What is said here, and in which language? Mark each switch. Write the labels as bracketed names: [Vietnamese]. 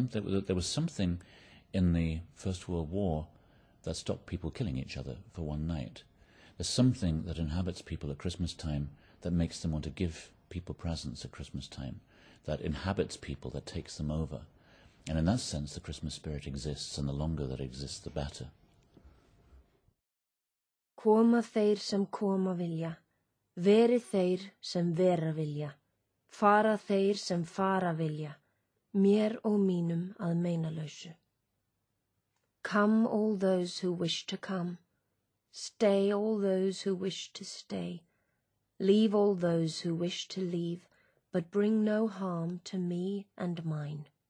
[English] There was something in the First World War that stopped people killing each other for one night. There's something that inhabits people at Christmas time that makes them want to give people presents at Christmas time, that inhabits people, that takes them over. And in that sense, the Christmas spirit exists, and the longer that it exists, the better. [Icelandic] Koma þeir sem koma vilja, veri þeir sem vera vilja, fara þeir sem fara vilja, mér og mínum að meinalausu. [English] Come all those who wish to come. Stay all those who wish to stay. Leave all those who wish to leave, but bring no harm to me and mine.